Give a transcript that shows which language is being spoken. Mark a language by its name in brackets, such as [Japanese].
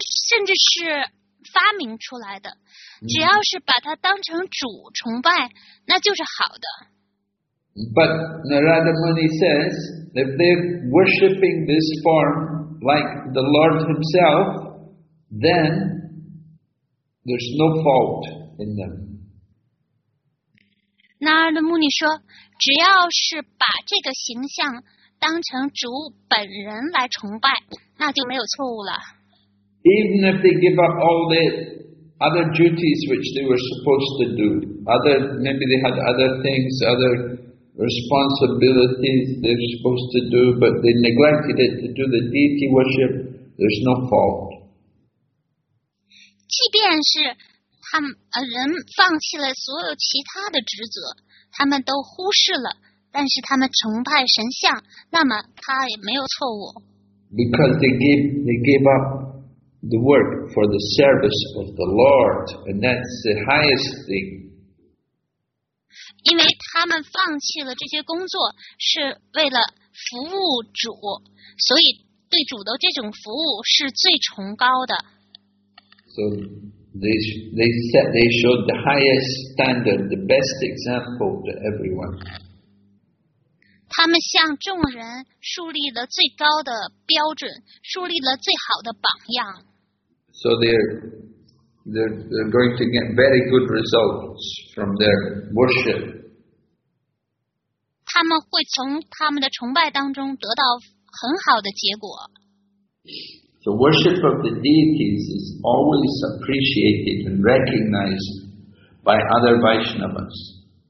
[Chinese] 甚至是发明出来的，只要是把它当成主崇拜，那就是好的。 [English] But Narada Muni says if they're worshipping this form like the Lord himselfThen there's no fault in them. [Chinese] Narada Muni 说，只要是把这个形象当成主本人来崇拜，那就没有错误了。 [English] Even if they give up all the other duties which they were supposed to do, other maybe they had other things, other responsibilities they're supposed to do, but they neglected it to do the deity worship, there's no fault. [Chinese] 即便是他们人放弃了所有其他的职责，他们都忽视了，但是他们崇拜神像，那么他也没有错误。 [English] Because they gave up the work for the service of the Lord, and that's the highest thing. [Chinese] 因为他们放弃了这些工作，是为了服务主，所以对主的这种服务是最崇高的。 [English] So they showed the highest standard, the best example to everyone. [Chinese] 他们向众人树立了最高的标准，树立了最好的榜样。 [English] So they're going to get very good results from their worship. [Chinese] 他们会从他们的崇拜当中得到很好的结果。 [English] The worship of the deities is always appreciated and recognized by other Vaishnavas.